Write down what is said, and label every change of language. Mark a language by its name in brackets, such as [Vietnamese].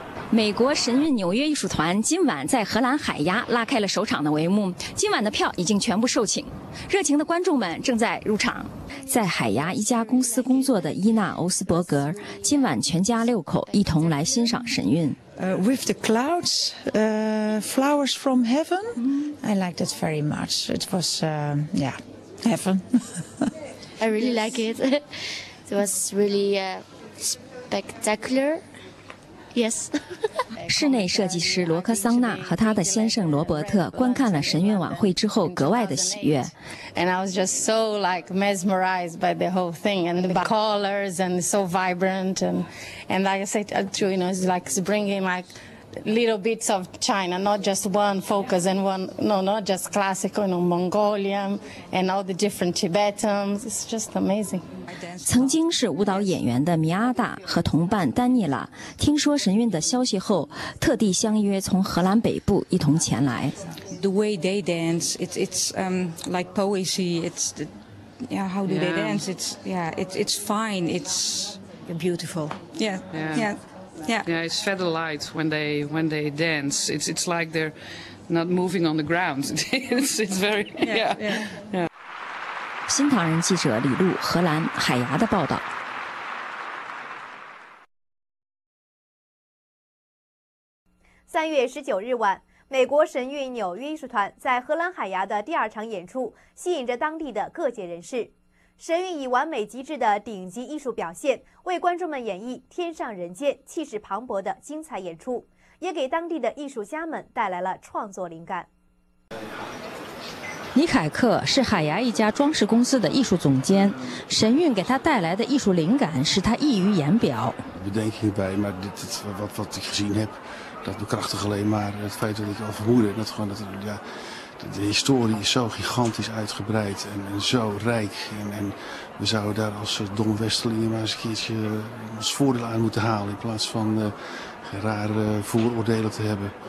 [Chinese] 美国神韵纽约艺术团今晚在荷兰海牙拉开了首场的帷幕，今晚的票已经全部售罄，热情的观众们正在入场。在海牙一家公司工作的伊娜·欧斯伯格，今晚全家六口一同来欣赏神韵。 [English] With the clouds, flowers from heaven, I liked it very much. It was, heaven. I really like it. It was really spectacular. Yes. [Chinese] 室内设计师罗克桑纳和他的先生罗伯特观看了神韵晚会之后格外的喜悦。 [English] And I was just so like mesmerized by the whole thing and the colors and so vibrant and like I said, too, you know, it's like it's bringing like little bits of China, not just one focus and one, no, not just classical, you know, Mongolian and all the different Tibetans. It's just amazing. [Chinese] 曾经是舞蹈演员的米阿达和同伴丹尼拉听说神韵的消息后，特地相约从荷兰北部一同前来。 [English] The way they dance, it's like poetry. It's the, yeah, how do they dance? It's yeah, it's fine. It's beautiful. Yeah. It's feather light when they dance. It's like they're not moving on the ground. It's very yeah. [Chinese] 新唐人记者李璐，荷兰海牙的报道。 3月19日晚，美国神韵纽约艺术团在荷兰海牙的第二场演出吸引着当地的各界人士。神韵以完美极致的顶级艺术表现为观众们演绎天上人间气势磅礴的精彩演出，也给当地的艺术家们带来了创作灵感。尼凯克是海牙一家装饰公司的艺术总监，神韵给他带来的艺术灵感使他溢于言表。 [Dutch] Bedenking bij, maar dit wat ik gezien heb, dat bekrachtigt alleen maar het feit dat ik al vermoedde dat gewoon dat ja, de historie is zo gigantisch uitgebreid en zo rijk en we zouden daar als dom westelingen maar eens een keertje ons voordeel aan moeten halen in plaats van rare vooroordelen te hebben.